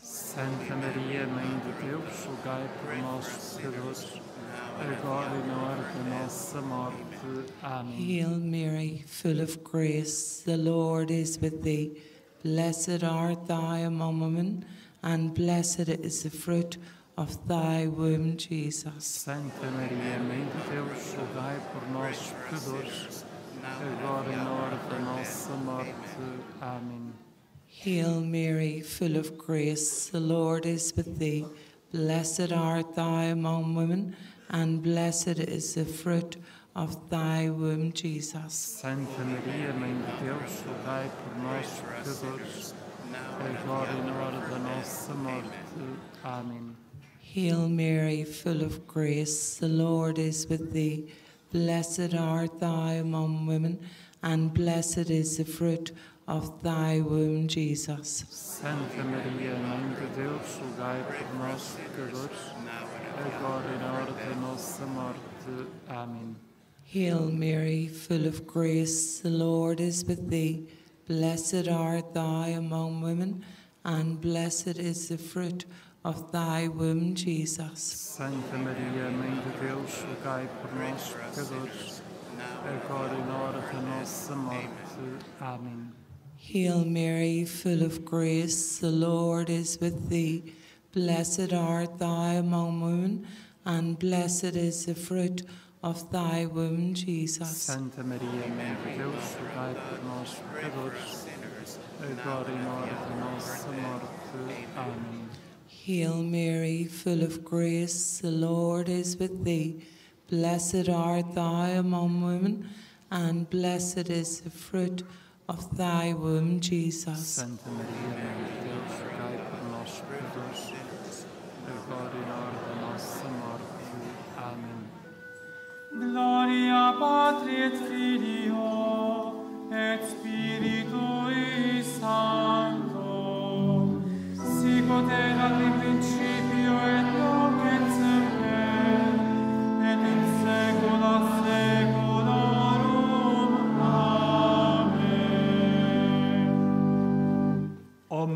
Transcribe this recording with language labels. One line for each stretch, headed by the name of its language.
Portuguese: Santa Maria, Mãe de Deus, rogai por nós, pecadores, agora e na hora da nossa morte. Amém.
English: Hail Mary, full of grace, the Lord is with thee. Blessed art thou among women, and blessed is the fruit of thy womb, Jesus.
Portuguese: Santa Maria, Mãe de Deus, rogai por nós, pecadores, agora e na hora da nossa morte. Amém.
English: Hail Mary, full of grace, the Lord is with thee. Blessed art thou among women, and blessed is the fruit of thy womb, Jesus.
Portuguese: Santa Maria, Mãe de Deus, rogai por nós, pecadores, agora e na hora da nossa morte. Amém.
English: Hail Mary, full of grace, the Lord is with thee. Blessed art thou among women, and blessed is the fruit of thy womb, Jesus.
Portuguese: Santa Maria, Mãe de Deus, rogai por nós, pecadores, agora e na hora da nossa morte. Amém.
English: Hail Mary, full of grace, the Lord is with thee. Blessed art thou among women, and blessed is the fruit of thy womb, Jesus.
Portuguese: Santa Maria, Mãe de Deus, rogai por nós, pecadores, agora e na hora da nossa morte. Amém.
English: Hail Mary, full of grace, the Lord is with thee. Blessed art thou among women, and blessed is the fruit of thy womb, Jesus.
Portuguese: Santa Maria, Mãe de Deus, rogai por nós, pecadores, agora e na hora da nossa morte. Amém.
English: Hail Mary, full of grace, the Lord is with thee. Blessed art thou among women, and blessed is the fruit of thy womb, Jesus.
Portuguese: Santa Maria, Mãe de Deus, rogai por nós, pecadores, agora e na hora da nossa morte. Amém.
Latin: Gloria Patri et Filio, et Spiritui Sancto, sicut erat in principio et nunc et semper, et in saecula saeculorum.